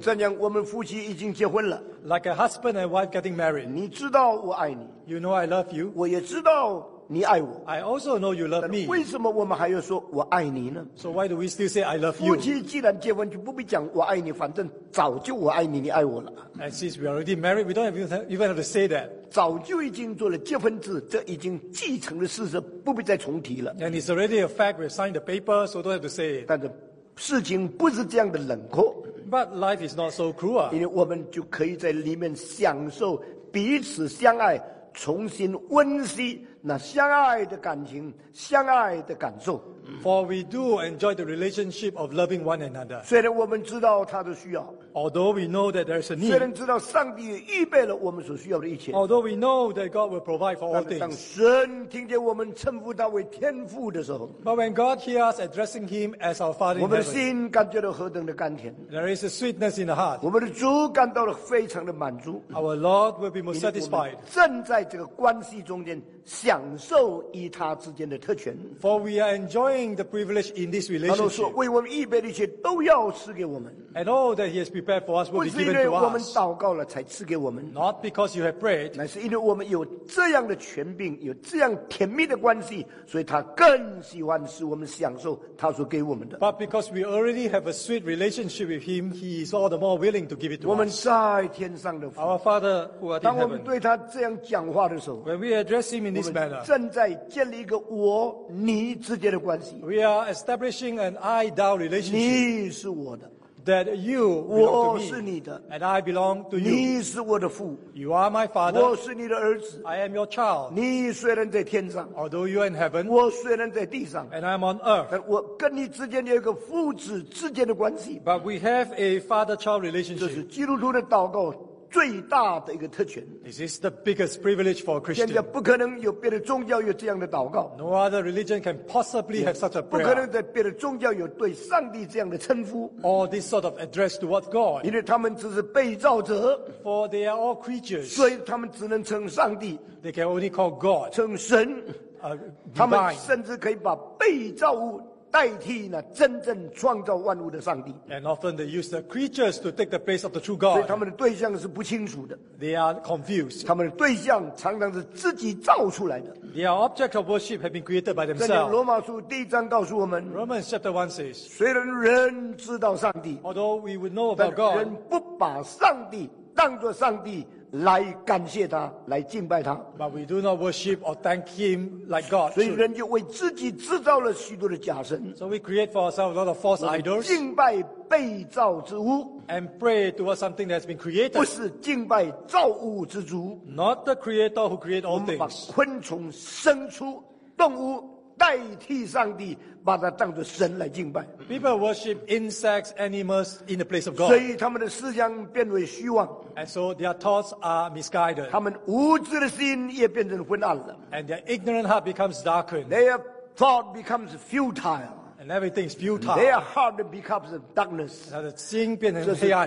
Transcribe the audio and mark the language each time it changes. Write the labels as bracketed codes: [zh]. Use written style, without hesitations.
[zh] 这样我们夫妻已经结婚了 [en] like a husband and wife getting married [zh] 你知道我爱你 [en] you know I love you [zh] 我也知道你爱我 [en] I also know you love me. [zh] 但为什么我们还要说我爱你呢 [en] So why do we still say I love you? [zh] 夫妻既然结婚就不必讲我爱你反正早就我爱你你爱我了 [en] And since we are already married we don't even have to say that [zh] 早就已经做了结婚制这已经继承的事实不必再重提了 [en] And it's already a fact we've signed the paper so don't have to say it [zh] 但是事情不是这样的冷酷 [en] But life is not so cruel [zh] 因为我们就可以在里面享受彼此相爱重新温习那相爱的感情相爱的感受 [en] For we do enjoy the relationship of loving one another [zh] 虽然我们知道他的需要 [en] Although we know that there is a need [zh] 虽然知道上帝预备了我们所需要的一切 [en] Although we know that God will provide for all things [zh] 当神听见我们称呼他为天父的时候 [en] But when God hears us addressing him as our Father in heaven [zh] 我们的心感觉到何等的甘甜 [en] There is a sweetness in the heart [zh] 我们的主感到了非常的满足 [en] Our Lord will be most satisfied [zh] 正在这个关系中间享受与他之间的特权 [en] For we are enjoying the privilege in this relationship [zh] 他说为我们预备的一切都要赐给我们 [en] And all that he has prepared for us will be given to us [zh] 不是因为我们祷告了才赐给我们 [en] Not because you have prayed [zh] 乃是因为我们有这样的权柄有这样甜蜜的关系所以他更喜欢使我们享受他所给我们的 [en] But because we already have a sweet relationship with him he is all the more willing to give it to us [zh] 我们在天上的父 [en] Our Father who art in heaven [zh] 当我们对他这样讲话的时候 [en] When we address him in this manner [zh] 正在建立一个我你之间的关系 [en] We are establishing an I-thou relationship [zh] 你是我的 [en] That you belong to me [zh] 我是你的 [en] And I belong to you [zh] 你是我的父 [en] You are my father [zh] 我是你的儿子 [en] I am your child [zh] 你虽然在天上 [en] Although you are in heaven [zh] 我虽然在地上 [en] And I'm on earth [zh] 但我跟你之间有一个父子之间的关系 [en] But we have a father-child relationship [zh] 这是基督徒的祷告最大的一个特权。 [en] This is the biggest privilege for a Christian. [zh] 现在不可能有别的宗教有这样的祷告。 [en] No other religion can possibly have such a prayer. [zh] 不可能在别的宗教有对上帝这样的称呼。 [en] Or this sort of address towards God. [zh] 因为他们只是被造者。 [en] For they are all creatures. [zh] 所以他们只能称上帝。 [en] They can only call God. [zh] 称神。他们甚至可以把被造物代替那真正创造万物的上帝。 [en] And often they use the creatures to take the place of the true God. [zh] 所以他们的对象是不清楚的。 [en] They are confused. [zh] 他们的对象常常是自己造出来的。 [en] Their object of worship have been created by themselves. [zh] 在罗马书第一章告诉我们。 [en] Romans chapter 1 says. [zh] 虽然人知道上帝。 [en] Although we would know about God. [zh] 但人不把上帝当作上帝来感谢他，来敬拜他。 [en] But we do not worship or thank him like God. [zh] 所以人就为自己制造了许多的假神。 [en] So we create for ourselves a lot of false idols. [zh] 敬拜被造之物。 [en] And pray towards something that has been created. [zh] 不是敬拜造物之主。 [en] Not the creator who created all things. [zh] 我们把昆虫、牲畜、动物代替上帝，把它当作神来敬拜。 [en] People worship insects, animals in the place of God. [zh] 所以他们的思想变为虚妄。 [en] And so their thoughts are misguided. [zh] 他们无知的心也变成昏暗了。 [en] And their ignorant heart becomes darkened. Their thought becomes futile. And everything is futile. Their heart becomes darkness. [zh] 他的心变成黑暗。